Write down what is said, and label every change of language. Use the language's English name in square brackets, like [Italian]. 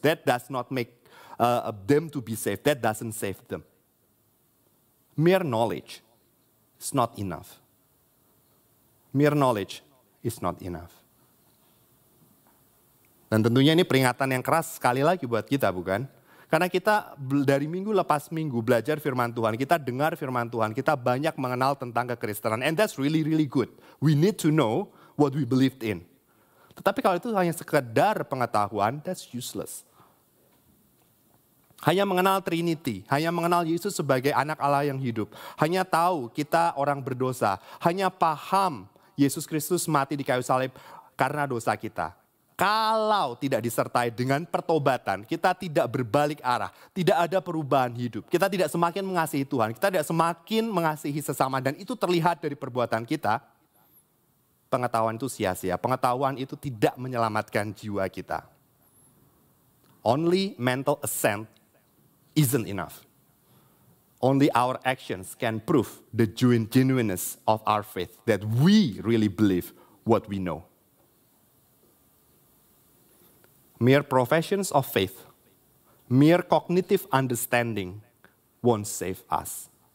[English] That does not make them to be saved. That doesn't save them. Mere knowledge is not enough. Mere knowledge is not enough. [Indonesian] Dan tentunya ini peringatan yang keras sekali lagi buat kita, bukan? Karena kita dari minggu lepas minggu belajar firman Tuhan, kita dengar firman Tuhan, kita banyak mengenal tentang kekristenan. [English] And that's really, really good. We need to know what we believed in. [Indonesian] Tetapi kalau itu hanya sekedar pengetahuan, [English] that's useless. [Indonesian] Hanya mengenal Trinity, hanya mengenal Yesus sebagai anak Allah yang hidup. Hanya tahu kita orang berdosa, hanya paham Yesus Kristus mati di kayu salib karena dosa kita. Kalau tidak disertai dengan pertobatan, kita tidak berbalik arah, tidak ada perubahan hidup. Kita tidak semakin mengasihi Tuhan, kita tidak semakin mengasihi sesama dan itu terlihat dari perbuatan kita. Pengetahuan itu sia-sia, pengetahuan itu tidak menyelamatkan jiwa kita. [English] Only mental assent isn't enough. Only our actions can prove the genuineness of our faith, that we really believe what we know. Mere professions of faith, mere cognitive understanding won't save us.